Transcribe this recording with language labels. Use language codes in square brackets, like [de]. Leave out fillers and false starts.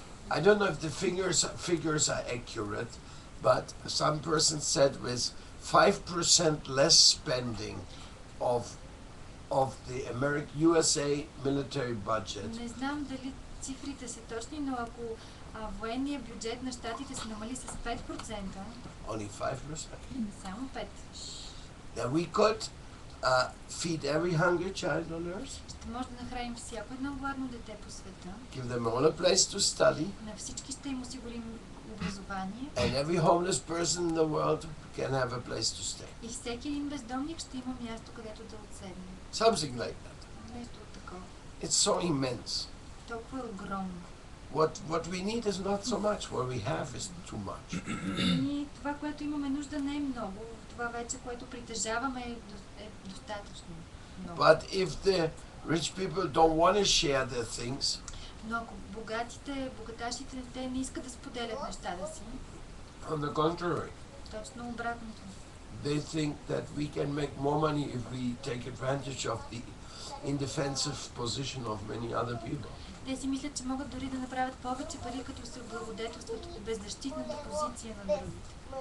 [en] I don't know if the figures are accurate, but some person said with 5% less spending of the American USA military budget. [bg] Не знам дали цифрите са точни, но ако военния бюджет на щатите се намали с 5%. [en] Only 5%. [bg] Само 5. [en] Then we could feed every hungry child on earth. [bg] Ще може да нахраним всяко едно гладно дете по света. [en] Give them all a place to study. [bg] На всички ще им осигурим образование. [en] And every homeless person in the world can have a place to stay. [bg] И всеки един бездомник ще има място, където да отседне. [en] Something like that. [bg] Нещо от такова. [en] It's so immense. [bg] Толкова е огромно. [en] What we need is not so much, what we have is too much. [bg] Това, което имаме нужда, не е много. Това вече, което притежаваме, е достатъчно. [en] But if the rich people don't want to share their things, [bg] но ако богатите, богаташите, те не искат да споделят нещата си, [en] on the contrary, [bg] точно обратното. [en] They think that we can make more money if we take advantage of the indefensive position of many other people. [bg] Те си мислят, че могат дори да направят повече пари, като се облагодетелстват от беззащитната позиция на другите.